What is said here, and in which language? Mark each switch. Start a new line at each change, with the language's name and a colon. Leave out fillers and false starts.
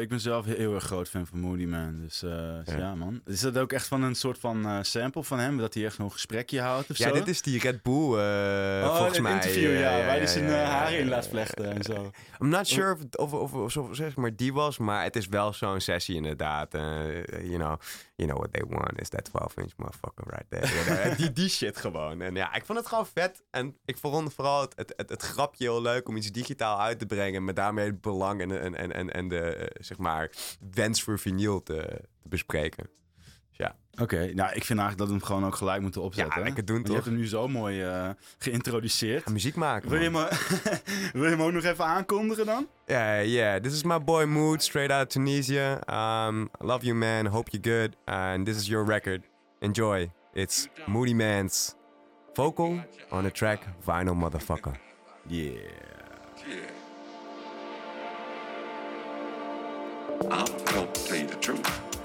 Dutch: Ik ben zelf heel erg groot fan van Moody Man. Dus man. Is dat ook echt van een soort van sample van hem? Dat hij echt nog een gesprekje houdt of zo? Ja, dit is die Red Bull volgens mij. Oh, interview, waar hij zijn haar in laat vlechten en zo.
English: I'm not sure
Dutch: of zeg maar die was, maar het is wel zo'n sessie inderdaad.
English: You know what they want is that 12-inch motherfucker right there.
Dutch: die shit gewoon. En ja, ik vond het gewoon vet. En ik vond vooral het grapje heel leuk om iets digitaal uit te brengen. Met daarmee het belang en de wens voor vinyl te bespreken. Dus ja. Oké, ik vind eigenlijk dat we hem gewoon ook gelijk moeten opzetten. Ja, lekker doen toch? Je hebt hem nu zo mooi geïntroduceerd. Ja, muziek maken. Wil je hem ook nog even aankondigen dan?
English: Yeah, this is my boy Mood, straight out of Tunisia. Love you man, hope you're good. And this is your record. Enjoy, it's Moody Man's vocal on the track Vinyl Motherfucker. Yeah. I'm gonna tell you the truth.